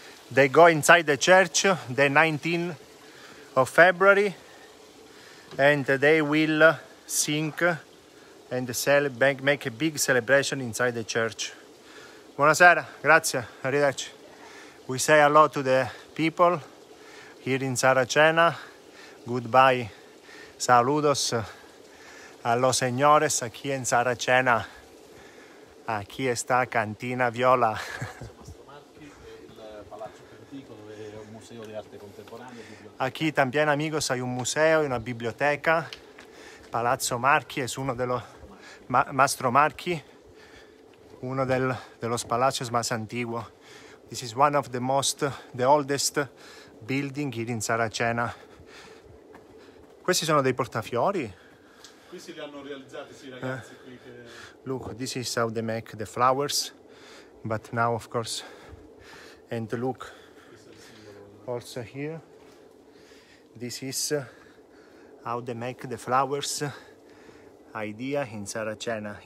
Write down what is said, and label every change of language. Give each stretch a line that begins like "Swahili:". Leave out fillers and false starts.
English: They go inside the church the 19th of February and they will sing and make a big celebration inside the church.
Italian: Buonasera, grazie, arrivederci.
English: We say hello to the people here in Saracena.
Spanish: Goodbye, saludos a los señores aquí en Saracena. Aquí está Cantina Viola.
Italian: Mastro Marchi, il Palazzo Pentico, dove è un museo di arte contemporanea.
Spanish: Aquí también, amigos, hay un museo y una biblioteca. Palazzo Marchi es uno de los... Mastro Marchi, uno de los palacios más antiguos.
English: This is one of the oldest building here in Saracena.
Italian: Questi sono dei portafiori. Questi li hanno realizzati, sì, ragazzi.
English: Look, this is how they make the flowers. But now, of course, and look, also here, this is how they make the flowers idea in Saracena.